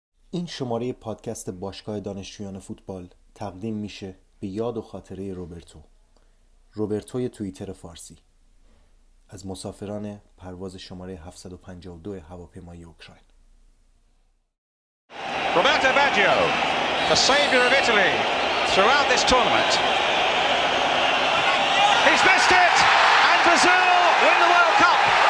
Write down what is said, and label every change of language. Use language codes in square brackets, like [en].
[fa] این شماره پادکست باشگاه دانشجویان فوتبال تقدیم میشه به یاد و خاطره روبرتو. روبرتوی توییتر فارسی از مسافران پرواز شماره 752 هواپیمای اوکراین. [en] Roberto Baggio, the savior of Italy throughout this tournament. He's missed it and Brazil win the World Cup.